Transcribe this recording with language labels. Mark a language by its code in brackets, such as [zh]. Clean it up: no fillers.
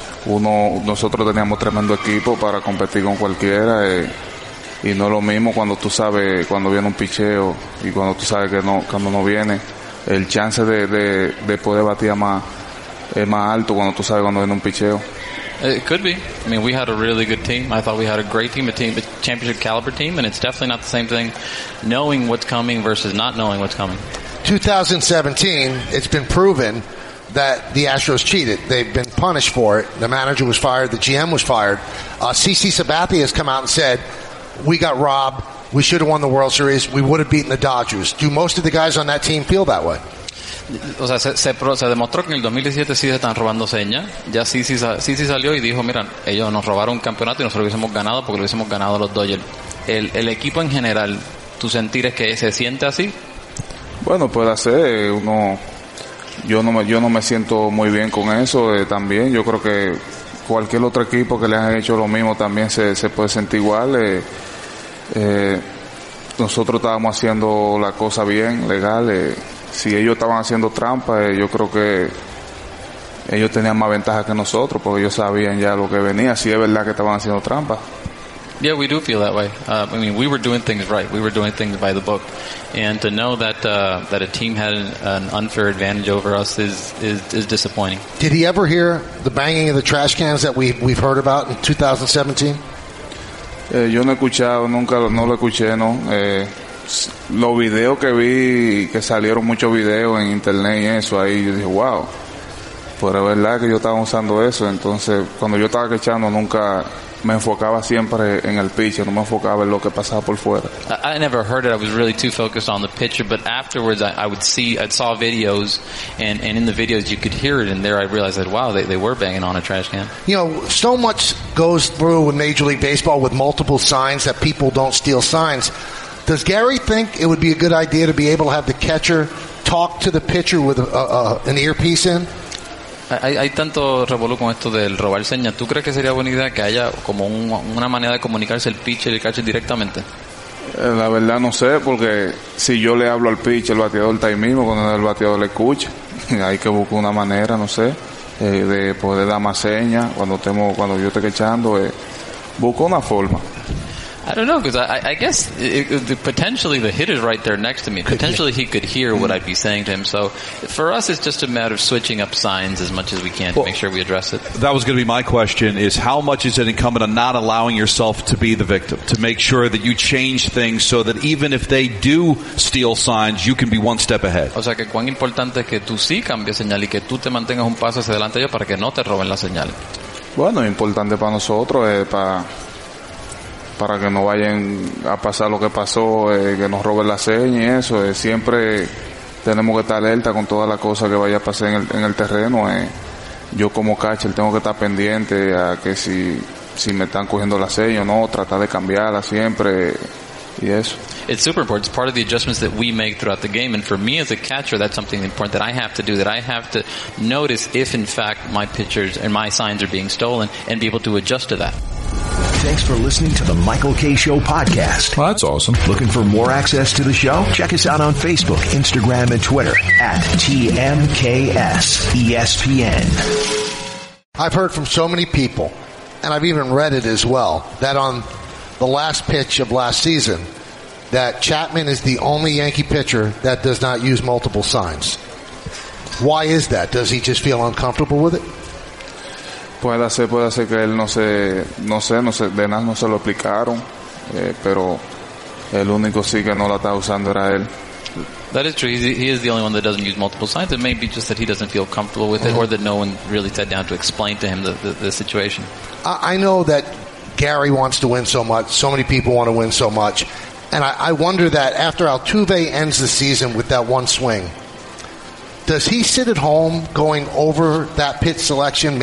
[es] Nosotros teníamos tremendo equipo para competir con cualquiera. Y no lo mismo cuando tú sabes, cuando viene un picheo y cuando tú sabes que no, cuando no viene. El chance de poder batir es más alto cuando tú sabes cuando viene un picheo. [en] It could be. I mean, we had a really good team. I thought we had a great team, a championship caliber team, and it's definitely not the same thing knowing what's coming versus not knowing what's coming. 2017, it's been proven that the Astros cheated. They've been punished for it. The manager was fired. The GM was fired. CC Sabathia has come out and said, we got robbed. We should have won the World Series. We would have beaten the Dodgers. Do most of the guys on that team feel that way? [es] O sea, se demostró que en el 2017 sí se están robando señas. Ya sí salió y dijo, mira, ellos nos robaron un campeonato y nosotros lo hubiésemos ganado porque lo hubiésemos ganado a los Dodgers. El equipo en general, ¿tu sentir es que se siente así? Bueno, puede ser. Yo no me siento muy bien con eso también. Yo creo que cualquier otro equipo que le han hecho lo mismo también se puede sentir igual. Nosotros estábamos haciendo la cosa bien, legal. Si ellos estaban haciendo trampa, yo creo que ellos tenían más ventaja que nosotros, porque ellos sabían ya lo que venía. Si es verdad que estaban haciendo trampa. [en] Yeah, we do feel that way. I mean, we were doing things right. We were doing things by the book. And to know that that a team had an unfair advantage over us is disappointing. Did he ever hear the banging of the trash cans that we've heard about in 2017? [es] Yo no he escuchado, nunca no lo escuché, ¿no? Los videos que vi, que salieron muchos videos en internet y eso, ahí yo dije, wow, Pero es verdad que yo estaba usando eso. Entonces, cuando yo estaba quechando, nunca me enfocaba siempre en el pitcher. No me enfocaba en lo que pasaba por fuera. [en] I never heard it. I was really too focused on the pitcher. But afterwards, I saw videos. And in the videos, you could hear it. And there I realized that, wow, they were banging on a trash can. You know, so much goes through with Major League Baseball with multiple signs that people don't steal signs. Does Gary think it would be a good idea to be able to have the catcher talk to the pitcher with an earpiece in? [es] Hay tanto revuelo con esto del robar señas. ¿Tú crees que sería buena idea que haya como una manera de comunicarse el pitcher y el catcher directamente? La verdad no sé, porque si yo le hablo al pitcher, el bateador está ahí mismo, cuando el bateador le escucha. Hay que buscar una manera, no sé, de poder dar más señas cuando yo esté quechando. Busco una forma. [en] I don't know, because I guess potentially the hitter's right there next to me. Potentially he could hear what I'd be saying to him. So for us, it's just a matter of switching up signs as much as we can to make sure we address it. That was going to be my question, is how much is it incumbent on not allowing yourself to be the victim, to make sure that you change things so that even if they do steal signs, you can be one step ahead. [es] O sea, que cuán importante es que tú sí cambies señal y que tú te mantengas un paso hacia adelante ellos para que no te roben la señal. Bueno, importante para nosotros es para que no vayan a pasar lo que pasó, que nos roben la seña y eso. Siempre tenemos que estar alerta con todas las cosas que vaya a pasar en el terreno. Yo como catcher tengo que estar pendiente a que si me están cogiendo la seña o no, tratar de cambiarla siempre y eso. [en] It's super important. It's part of the adjustments that we make throughout the game. And for me as a catcher, that's something important that I have to do, that I have to notice if in fact my pitchers and my signs are being stolen and be able to adjust to that. Thanks for listening to the Michael K. Show podcast. Well, that's awesome. Looking for more access to the show? Check us out on Facebook, Instagram, and Twitter at TMKS ESPN. I've heard from so many people, and I've even read it as well, that on the last pitch of last season, that Chapman is the only Yankee pitcher that does not use multiple signs. Why is that? Does he just feel uncomfortable with it? [es] Puede ser que él no sé, de nada no se lo explicaron, pero el único sí que no la está usando era él. [en] That is true. He is the only one that doesn't use multiple signs. It may be just that he doesn't feel comfortable with it, or that no one really sat down to explain to him the situation. I know that Gary wants to win so much. So many people want to win so much. And I wonder that after Altuve ends the season with that one swing, does he sit at home going over that pitch selection?